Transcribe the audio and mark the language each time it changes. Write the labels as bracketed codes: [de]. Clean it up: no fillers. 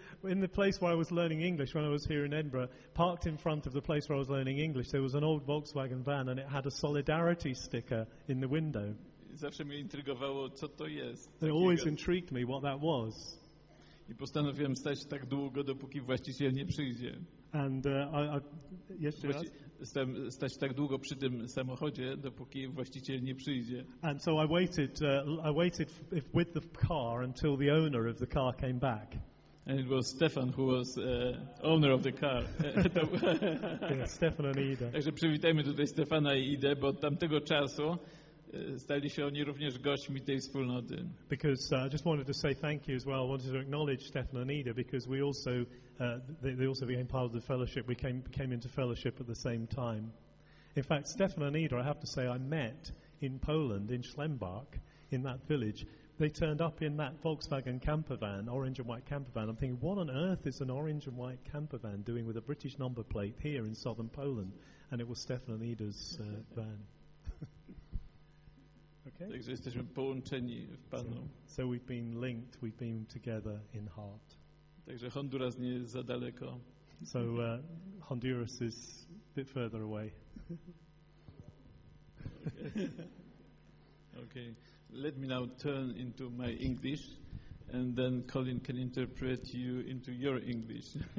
[en] In the place where I was learning English when I was here in Edinburgh, parked in front of the place where I was learning English, there was an old Volkswagen van and it had a Solidarity sticker in the window. [pl] Zawsze mnie intrygowało, co to jest. [en] It always intrigued me what that was. [pl] I postanowiłem stać tak długo, dopóki właściciel nie przyjdzie. And jeszcze raz. Stać tak długo przy tym samochodzie, dopóki właściciel nie przyjdzie. [en] And so I waited with the car until the owner of the car came back. And it was Stefan who was owner of the car. Yeah, Stefan and Ida. [pl] Także przywitajmy tutaj Stefana i Idę, bo od tamtego czasu stali się oni również gośćmi tej wspólnoty. [en] Because I just wanted to say thank you as well. I wanted to acknowledge Stefan and Ida because we also they also became part of the fellowship. We came into fellowship at the same time. In fact, Stefan and Ida, I have to say, I met in Poland in Schlembach in that village. They turned up in that Volkswagen camper van, orange and white camper van. I'm thinking, what on earth is an orange and white camper van doing with a British number plate here in southern Poland? And it was Stefan and Ida's van. Okay. [pl] Także jesteśmy połączeni w Panu. [en] So we've been linked, we've been together in heart. [pl] Także Honduras nie jest za daleko. [en] So Honduras is a bit further away. Okay. Let me now turn into my English and then Colin can interpret you into your English.